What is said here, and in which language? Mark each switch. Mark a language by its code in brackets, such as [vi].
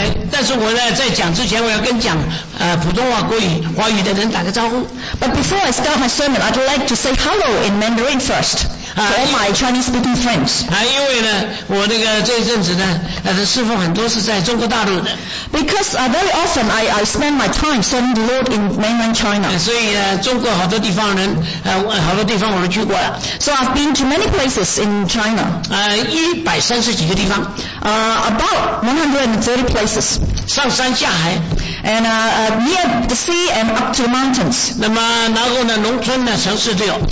[zh] 但是我呢，在讲之前，我要跟讲普通话、国语、华语的人打个招呼。 [en] But before I start my sermon, I'd like to say hello in Mandarin first. For all my Chinese-speaking friends. [zh] 因为呢，我那个这一阵子呢，侍奉很多是在中国大陆的。 [en] Because very often I spend my time serving the Lord in mainland China. [zh] 所以中国好多地方人，好多地方我都去过了。 [en] So I've been to many places in China. [zh] 一百三十几个地方。 [en] About 130 places. [zh] 上山下海。 [en] And near the sea and up to the mountains. [zh] 那么然后呢，农村呢，城市都有。